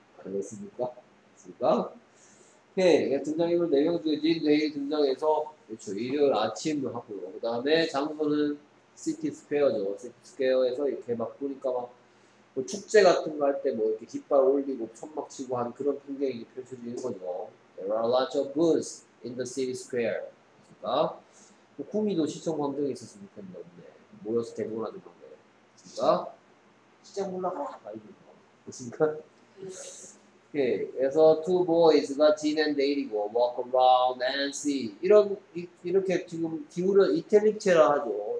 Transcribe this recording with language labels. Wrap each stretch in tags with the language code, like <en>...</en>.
<ko>그렇습니까? 그니까. 오케이. 등장인물 4명 중에 진 데일 등장해서, 그쵸. 일요일 아침을 하고요. 그 다음에 장소는 시티 스퀘어죠. 시티 스퀘어에서 이렇게 막 보니까 막 뭐 축제 같은 거 할 때 뭐 이렇게 깃발 올리고 천막 치고 하는 그런 풍경이 펼쳐지는 거죠.</ko> <en>There are lots of booths in the city square.</en> <ko>그러니까 뭐 구미도 시청 광장이 있었으면 좋겠는데 없네. 모여서 대부분 하는 건데. 그러니까 시장 올라가라. 그러니까. 오케이. 그래서</ko> <en>two boys</en> <ko>가 진 앤 데일이고</ko> <en>walk around and see</en> <ko>이런 이렇게 지금 기울은 이탈릭체라 하죠.</ko>